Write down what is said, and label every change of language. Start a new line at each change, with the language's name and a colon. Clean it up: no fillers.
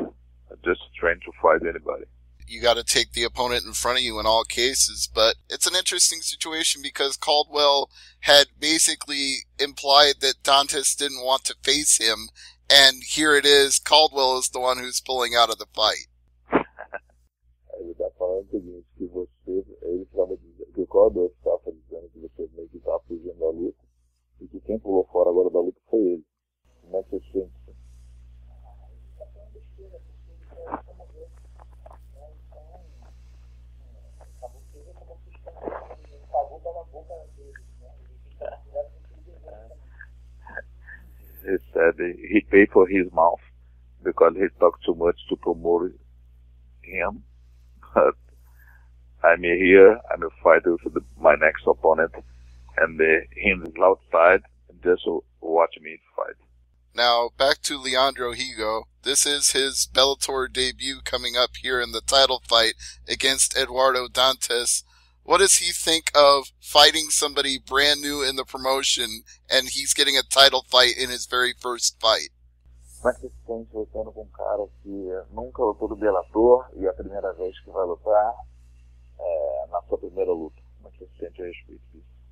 English: I just train to fight anybody. You got to take the opponent in front of you in all cases, but it's an interesting situation because Caldwell had basically implied that Dantas didn't want to face him, and here it is, Caldwell is the one who's pulling out of the fight.
Portuguese: Ele está falando o seguinte, que você, ele estava dizendo, que o Caldwell estava dizendo que você meio que estava fugindo da luta, e que quem pulou fora agora da luta foi ele. Como é que você sente?
English: He paid for his mouth because he talked too much to promote him. But I'm here, I'm a fighter for my next opponent, and he's outside just watch me fight. Now, back to Leandro Higo. This is his Bellator debut coming up here in the title fight against Eduardo Dantas. What does he think of fighting somebody brand new in the promotion and he's getting a title fight in his very first fight?
Portuguese: Como é que você se sente lutando com um cara que nunca lutou do Bellator e é a primeira vez que vai lutar na sua primeira luta? Como é que você se sente a respeito disso?